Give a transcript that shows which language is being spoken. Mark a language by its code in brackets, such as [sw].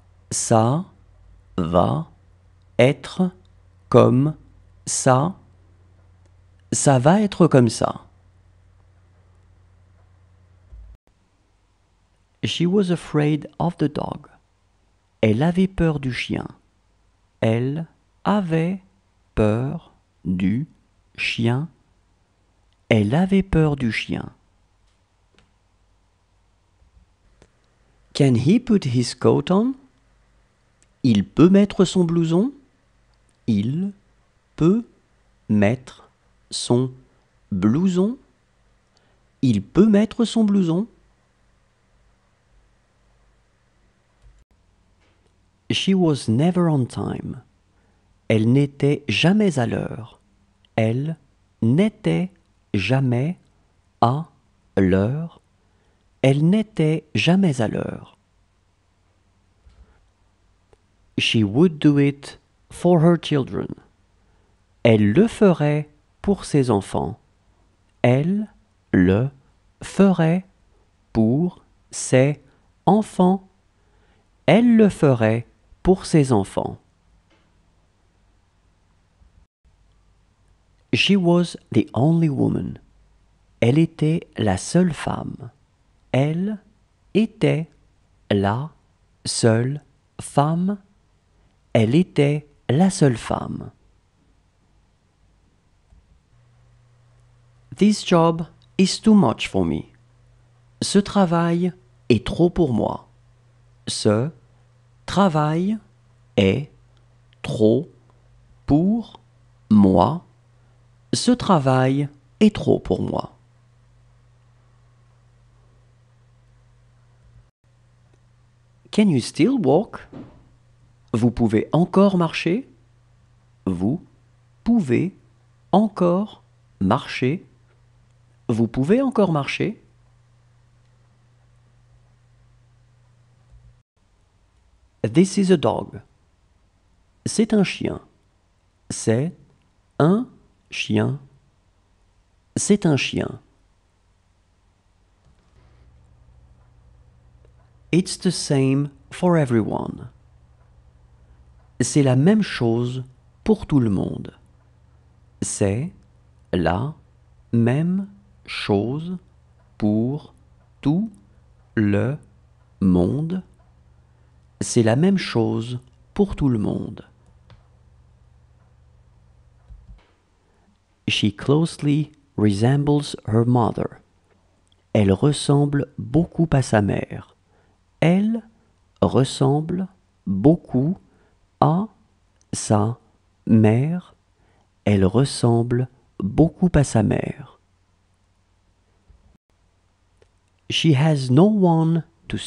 [fr] Ça va être comme ça. Ça va être comme ça. [en] She was afraid of the dog. [fr] Elle avait peur du chien. Elle avait peur du chien. Elle avait peur du chien. [en] Can he put his coat on? [fr] Il peut mettre son blouson? Il peut mettre son blouson? Il peut mettre son blouson? [en] She was never on time. [fr] Elle n'était jamais à l'heure. Elle n'était jamais à l'heure. Elle n'était jamais à l'heure. [en] She would do it for her children. [fr] Elle le ferait pour ses enfants. Elle le ferait pour ses enfants. Elle le ferait pour ses enfants. [en] She was the only woman. [fr] Elle était la seule femme. Elle était la seule femme. Elle était la seule femme. [en] This job is too much for me. [fr] Ce travail est trop pour moi. Ce travail est trop pour moi. Ce travail est trop pour moi. [en] Can you still walk? [fr] Vous pouvez encore marcher? Vous pouvez encore marcher? Vous pouvez encore marcher? [en] This is a dog. [fr] C'est un chien. C'est un chien. C'est un chien. [en] It's the same for everyone. [fr] C'est la même chose pour tout le monde. C'est la même chose pour tout le monde. C'est la même chose pour tout le monde. [en] She closely resembles her mother. [fr] Elle ressemble beaucoup à sa mère. Elle ressemble beaucoup à sa mère. Elle ressemble beaucoup à sa mère. [en] She has no one to speak to.